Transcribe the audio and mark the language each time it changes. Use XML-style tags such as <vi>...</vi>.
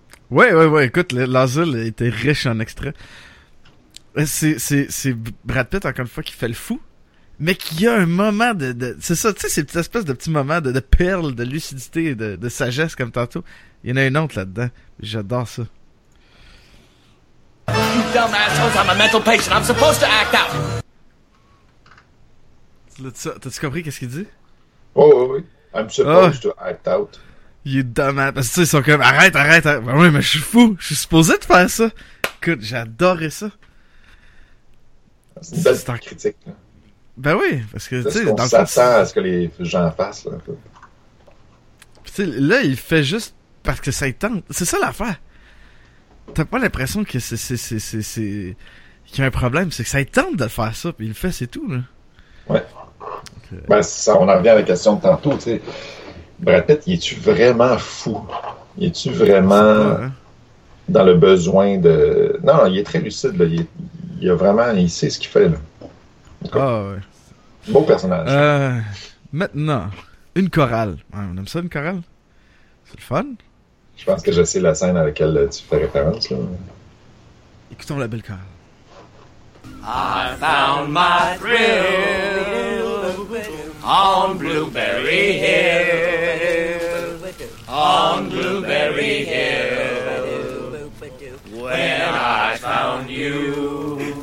<fr>Ouais, écoute, l'asile était riche en extraits. C'est Brad Pitt, encore une fois, qui fait le fou, mais qui a un moment de c'est ça, tu sais, ces petites espèces de petits moments de perles, de lucidité, de sagesse, comme tantôt. Il y en a une autre là-dedans. J'adore ça.</fr> <en>You dumb assholes, I'm a mental patient, I'm supposed to act out.</en> <fr>T'as-tu compris qu'est-ce qu'il dit?</fr> <en>Oui. I'm supposed to act out. You dumbass.</en> <fr>Parce que tu sais, ils sont comme, arrête. Ben oui, mais je suis fou. Je suis supposé de faire ça. Écoute, j'adorais ça. C'est une belle critique. Ben oui, parce que tu sais, dans le fond, ça sert à ce que les gens fassent. Tu sais, là, il fait juste parce que ça tente. C'est ça l'affaire. T'as pas l'impression que c'est qu'il y a un problème. C'est que ça tente de faire ça. Puis il le fait, c'est tout, là. Ouais. Okay. Ben, ça, on en revient à la question de tantôt, tu sais. Brad Pitt, y es-tu vraiment fou? Y es-tu vraiment dans le besoin de... Non, il est très lucide, là. Il a vraiment... Il sait ce qu'il fait, là. Ah, ouais. Beau personnage. Maintenant, une chorale. Ouais, on aime ça, une chorale? C'est le fun? Je pense que je sais la scène à laquelle tu fais référence, là. Écoutons la belle chorale.</fr> <en>I found my thrill on Blueberry Hill, on Blueberry Hill, when I found you.</en>